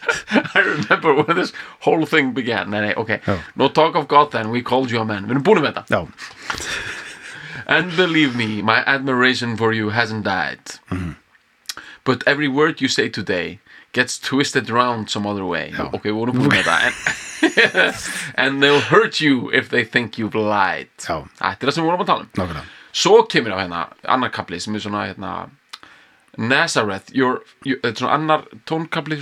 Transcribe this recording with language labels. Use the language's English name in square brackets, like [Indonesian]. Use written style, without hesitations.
[English] I remember when this whole thing began. [Icelandic] Nei, ok. Já. [English] No talk of God then, we called you a man. Við erum búin með þetta. [Icelandic] Já. [English] And believe me, my admiration for you hasn't died. Mm-hmm. But every word you say today gets twisted around some other way. [Icelandic] Já. Ok, við erum búin með þetta. [English] And they'll hurt you if they think you've lied. [Icelandic] Já. Þetta það sem við vorum að tala Nákvæmlega. Svo kemur á hérna, annar kafli sem svona, hérna, Nazareth, þetta svona annar tónkafli.